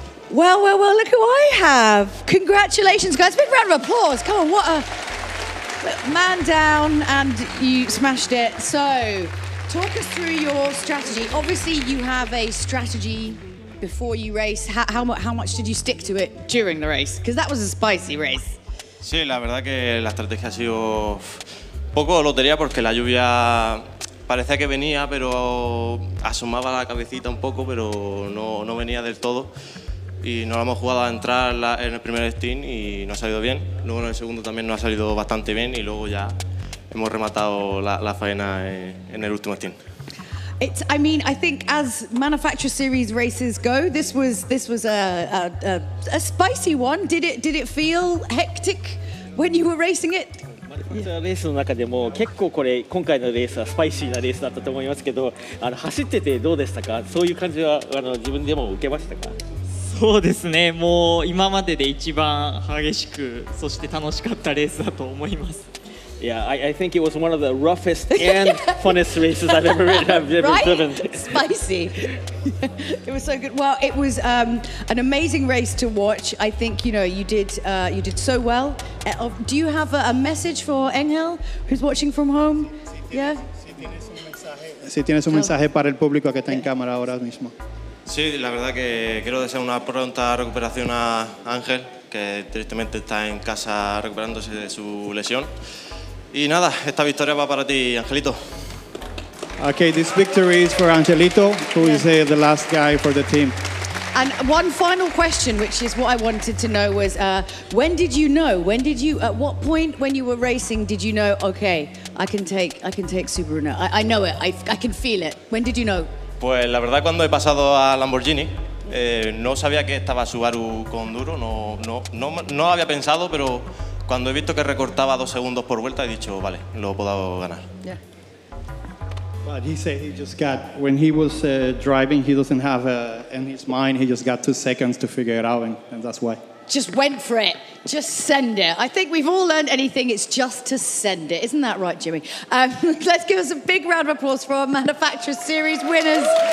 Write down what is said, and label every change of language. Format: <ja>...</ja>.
<en>Well, well, well, look who I have. Congratulations, guys. Big round of applause. Come on, what a man down, and you smashed it. So, talk us through your strategy. Obviously, you have a strategy before you race. How much did you stick to it during the race? Because that was a spicy race.</en> <es>Sí, la verdad que la estrategia ha sido poco lotería porque la lluvia parecía que venía, pero asomaba la cabecita un poco, pero no venía del todo. Y nos lo hemos jugado a entrar en el primer stint y no ha salido bien. Luego en el segundo también nos ha salido bastante bien y luego ya hemos rematado la faena en el último stint.</es> <en>I think as manufacturer series races go, this was a spicy one. Did it feel hectic when you were racing it?</en> <ja>マニュファクチャーレースの中でも結構これ今回のレースはスパイシーなレースだったと思いますけど、走っててどうでしたか？そういう感じはあの自分でも受けましたか？そうですね。もう今までで一番激しく、そして楽しかったレースだと思います。</ja> <en>Yeah, I think it was one of the roughest and funnest races I've ever right? driven. Spicy. It was so good. Well, it was an amazing race to watch. I think, you know, you did so well. Do you have a message for Engel, who's watching from home? Yeah?</en> <es>Si tienes un mensaje para el público que está en cámara ahora mismo. Sí, la verdad que quiero desear una pronta recuperación a Ángel, que tristemente está en casa recuperándose de su lesión. Y nada, esta victoria va para ti, Angelito.</es> <en>Okay, this victory is for Angelito, who is the last guy for the team. And one final question, which is what I wanted to know, was at what point when you were racing did you know, okay, I can take Subaru now? I know it, I can feel it. When did you know?</en> <es>Pues la verdad, cuando he pasado a Lamborghini, no sabía que estaba Subaru con duro, no había pensado, pero cuando he visto que recortaba 2 segundos por vuelta, he dicho, vale, lo puedo ganar.</es> <en>Yeah. But he said he just got, when he was driving, he doesn't have in his mind, he just got 2 seconds to figure it out, and that's why. just went for it. Just send it. I think we've all learned anything. It's just to send it. Isn't that right, Jimmy? Let's give us a big round of applause for our Manufacturer Series winners.</en>